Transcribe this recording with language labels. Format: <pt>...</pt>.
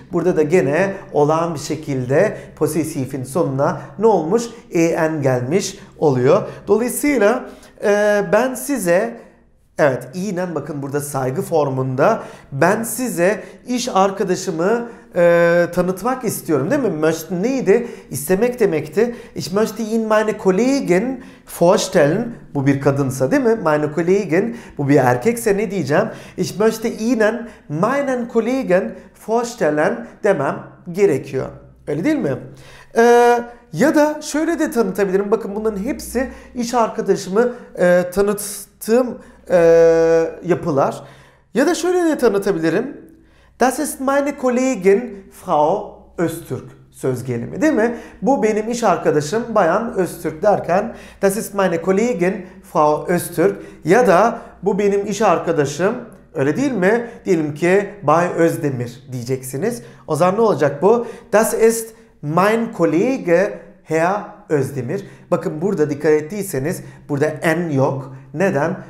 <tr>Burada da gene olağan bir şekilde posesifin sonuna ne olmuş? En gelmiş oluyor. Dolayısıyla ben size, evet, Ihnen bakın burada saygı formunda, ben size iş arkadaşımı tanıtmak istiyorum, değil mi? Möchten neydi? İstemek demekti.</tr> <de>Ich möchte Ihnen meine Kollegin vorstellen.</de> <tr>Bu bir kadınsa, değil mi?</tr> <de>Meine Kollegin.</de> <tr>Bu bir erkekse ne diyeceğim?</tr> <de>Ich möchte Ihnen meinen Kollegen vorstellen</de> <tr>demem gerekiyor. Öyle değil mi? Ya da şöyle de tanıtabilirim. Bakın bunların hepsi iş arkadaşımı tanıttığım yapılar. Ya da şöyle de tanıtabilirim.</tr> <de>Das ist meine Kollegin Frau Öztürk</de> <tr>söz gelimi, değil mi? Bu benim iş arkadaşım Bayan Öztürk derken</tr> <de>Das ist meine Kollegin Frau Öztürk</de> <tr>ya da bu benim iş arkadaşım, öyle değil mi? Diyelim ki Bay Özdemir diyeceksiniz. O zaman ne olacak bu?</tr> <de>Das ist mein Kollege Herr Özdemir.</de> <tr>Bakın burada dikkat ettiyseniz burada en yok. Neden?</tr>